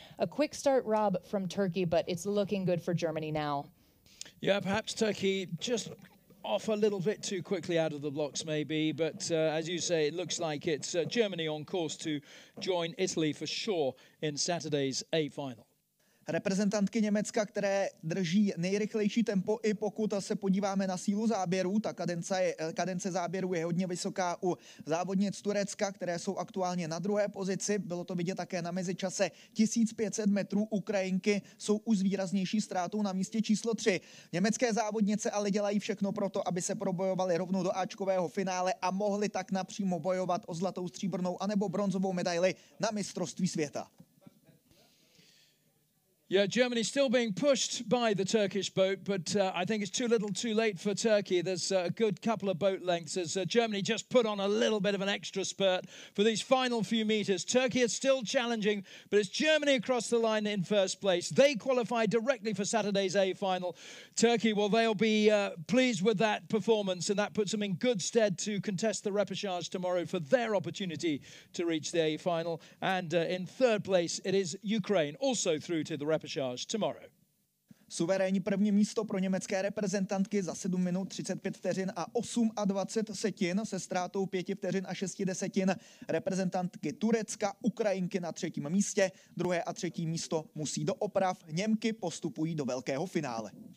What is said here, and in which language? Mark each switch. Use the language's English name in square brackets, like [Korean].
[English] A quick start, Rob, from Turkey, but it's looking good for Germany now. Yeah, perhaps Turkey just off a little bit too quickly out of the blocks maybe, but as you say, it looks like it's Germany on course to join Italy for sure in Saturday's A final. [Czech] Reprezentantky Německa, které drží nejrychlejší tempo, i pokud se podíváme na sílu záběru, ta kadence záběru je hodně vysoká u závodnic Turecka, které jsou aktuálně na druhé pozici. Bylo to vidět také na mezičase 1500 metrů. Ukrajinky jsou už s výraznější ztrátou na místě číslo 3. Německé závodnice ale dělají všechno pro to, aby se probojovali rovnou do áčkového finále a mohli tak napřímo bojovat o zlatou, stříbrnou anebo bronzovou medaili na mistrovství světa. [English] Yeah, Germany still being pushed by the Turkish boat, but I think it's too little too late for Turkey. There's a good couple of boat lengths as Germany just put on a little bit of an extra spurt for these final few meters. Turkey is still challenging, but it's Germany across the line in first place. They qualify directly for Saturday's A final. Turkey, well, they'll be pleased with that performance, and that puts them in good stead to contest the repechage tomorrow for their opportunity to reach the A final. And in third place, it is Ukraine, also through to the repechage tomorrow. [Czech] Suverénní první místo pro německé reprezentantky za 7 minut 35 vteřin a 28 setin se ztrátou 5 vteřin a 6 desetin. Reprezentantky Turecka, Ukrajinky na třetím místě. Druhé a třetí místo musí do oprav. Němky postupují do velkého finále.